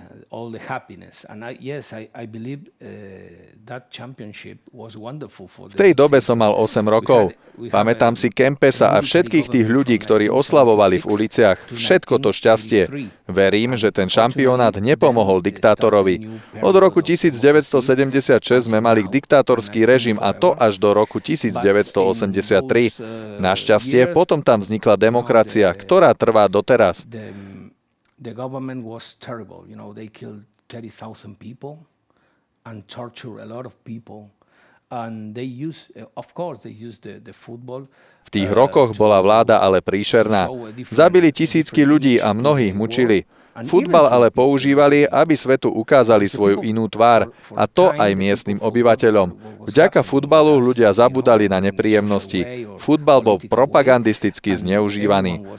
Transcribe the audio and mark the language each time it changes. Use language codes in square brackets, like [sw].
[en] All the happiness and I believe that championship was wonderful for the [sk] V tej dobe som mal 8 rokov. Pamätám si Kempesa a všetkých tých ľudí, ktorí oslavovali v uliciach všetko to šťastie. Verím, že ten šampionát nepomohol diktátorovi. Od roku 1976 sme mali diktátorský režim a to až do roku 1983. Našťastie potom tam vznikla demokracia, ktorá trvá doteraz. [en] The government was terrible, you know, they killed 30,000 people and tortured a lot of people and they used, of course, they used the football. [sk] V tých rokoch bola vláda ale príšerná. Zabili tisícky ľudí a mnohých mučili. Futbal ale používali, aby svetu ukázali svoju inú tvár, a to aj miestnym obyvateľom. Vďaka futbalu ľudia zabudali na nepríjemnosti. Futbal bol propagandisticky zneužívaný.